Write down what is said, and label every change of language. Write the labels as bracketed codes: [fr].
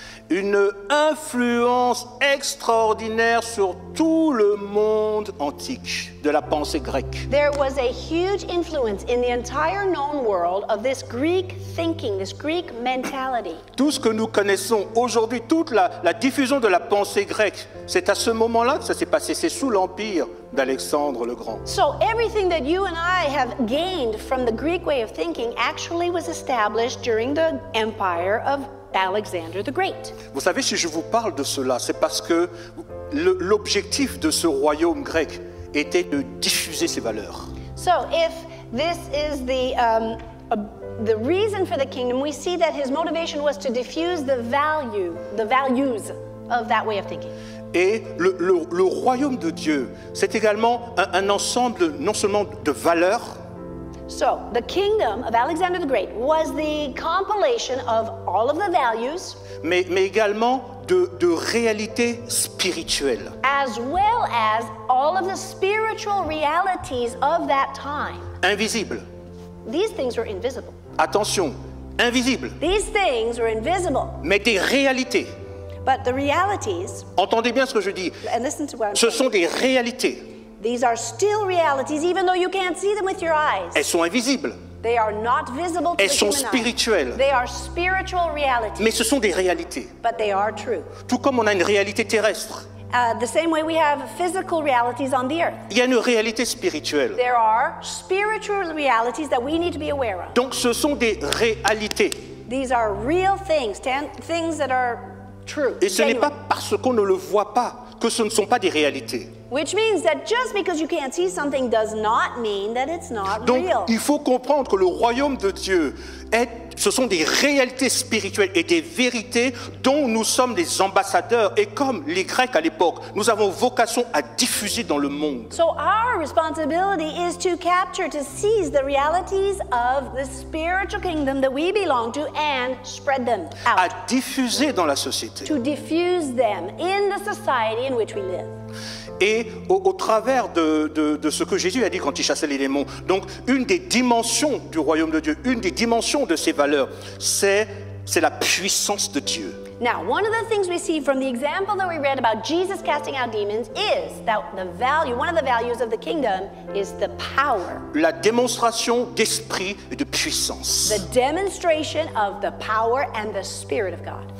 [fr] Une influence extraordinaire sur tout le monde antique de la pensée grecque. [en] There was a huge influence in the entire known world of this Greek thinking, this Greek mentality. [fr] Tout ce que nous connaissons aujourd'hui, toute la diffusion de la pensée grecque, c'est à ce moment-là que ça s'est passé, c'est sous l'empire d'Alexandre le Grand. [en] So everything that you and I have gained from the Greek way of thinking actually was established during the empire of Alexander the Great. [fr] Vous savez, si je vous parle de cela, c'est parce que l'objectif de ce royaume grec était de diffuser ses valeurs. [en] So if this is the reason for the kingdom, we see that his motivation was to diffuse the values of that way of thinking. [fr] Et le royaume de Dieu, c'est également un ensemble non seulement de valeurs. [en] So, the kingdom of Alexander the Great was the compilation of all of the values, [fr] mais également de réalités spirituelles, [en] as well as all of the spiritual realities of that time. [fr] Invisible. [en] These things were invisible. [fr] Attention, invisible. [en] These things were invisible. [fr] Mais des réalités. [en] But the realities. [fr] Entendez bien ce que je dis. [en] And listen to what I'm [fr] ce sont des réalités. [en] These are still realities, even though you can't see them with your eyes. [fr] Elles sont invisibles. [en] They are not visible to [fr] Elles [en] the human [fr] sont spirituelles. [en] Eye. They are spiritual realities. [fr] Mais ce sont des réalités. [en] But they are true. [fr] Tout comme on a une réalité terrestre. [en] The same way we have physical realities on the earth. [fr] Il y a une réalité spirituelle. [en] There are spiritual realities that we need to be aware of. [fr] Donc ce sont des réalités. [en] These are real things, things that are true. Et ce genuine. [fr] N'est pas parce qu'on ne le voit pas que ce ne sont pas des réalités. [en] Which means that just because you can't see something does not mean that it's not [fr] Donc, [en] real. [fr] Donc, il faut comprendre que le royaume de Dieu est, ce sont des réalités spirituelles et des vérités dont nous sommes des ambassadeurs. Et comme les Grecs à l'époque, nous avons vocation à diffuser dans le monde. [en] So our responsibility is to capture, to seize the realities of the spiritual kingdom that we belong to and spread them out. [fr] À diffuser dans la société. [en] To diffuse them in the society in which we live. [fr] Et au travers de ce que Jésus a dit quand il chassait les démons. Donc, une des dimensions du royaume de Dieu, une des dimensions de ses valeurs, c'est la puissance de Dieu. [en] Now, one of the things we see from the example that we read about Jesus casting out demons is that the value, one of the values of the kingdom is the power. [fr] La démonstration d'esprit et de puissance. [en] The demonstration of the power and the spirit of God.